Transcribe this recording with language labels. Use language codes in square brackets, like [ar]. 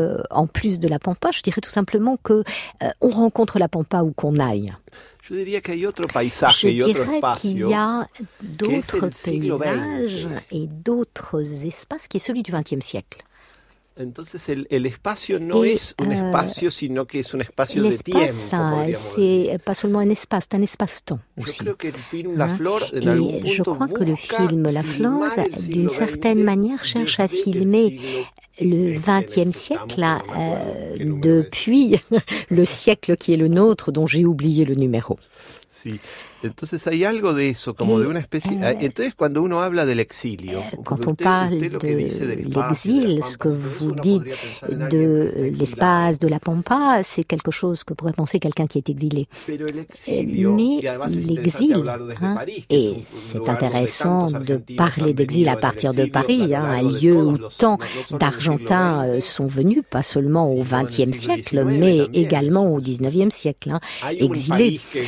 [fr] en plus de la Pampa, je dirais tout simplement qu'on rencontre la Pampa où qu'on aille. Je dirais qu'il y a d'autres paysages et d'autres espaces. Qu'il y a d'autres paysages et d'autres espaces qui est celui du XXe siècle. [es] Entonces, el espacio no es un espacio, sino que es un espacio de tiempo. [fr] L'espace, c'est pas seulement un espace, c'est un espace-temps aussi. Je crois que le film La Flore, d'un certain point, je crois que le film La Flore, d'une certaine manière, cherche à filmer le XXe siècle, depuis le siècle qui est le nôtre, dont j'ai oublié le numéro. [es] Sí. Entonces hay algo de eso, como de una especie. Entonces cuando uno habla del exilio, [fr] quand on parle de l'exil, ce que vous dites de l'espace de la Pampa, c'est quelque chose que pourrait penser quelqu'un qui est exilé. Mais l'exil, et c'est intéressant de parler d'exil à partir de Paris, un lieu où tant d'Argentins sont venus, pas seulement au XXe siècle, mais également au XIXe siècle, exilés.